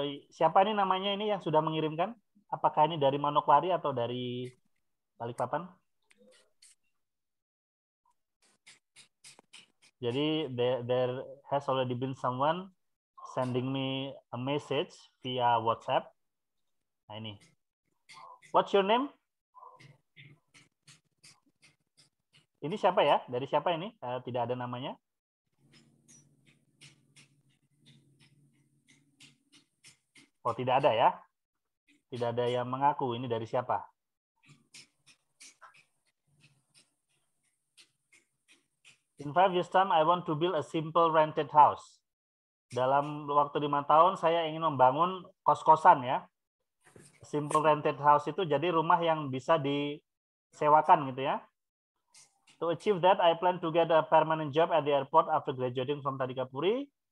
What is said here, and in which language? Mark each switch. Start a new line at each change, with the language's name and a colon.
Indonesian: Siapa ini namanya ini yang sudah mengirimkan? Apakah ini dari Manokwari atau dari Balikpapan?
English: Jadi there has already been someone sending me a message via WhatsApp.
Indonesian: Nah, ini.
English: What's your name?
Indonesian: Ini siapa ya? Dari siapa ini? Tidak ada namanya. Oh, tidak ada ya? Tidak ada yang mengaku. Ini dari siapa?
English: In 5 years time, I want to build a simple rented house.
Indonesian: Dalam waktu 5 tahun, saya ingin membangun kos-kosan ya. Simple rented house itu jadi rumah yang bisa disewakan gitu ya.
English: To achieve that, I plan to get a permanent job at the airport after graduating from Tadikapuri.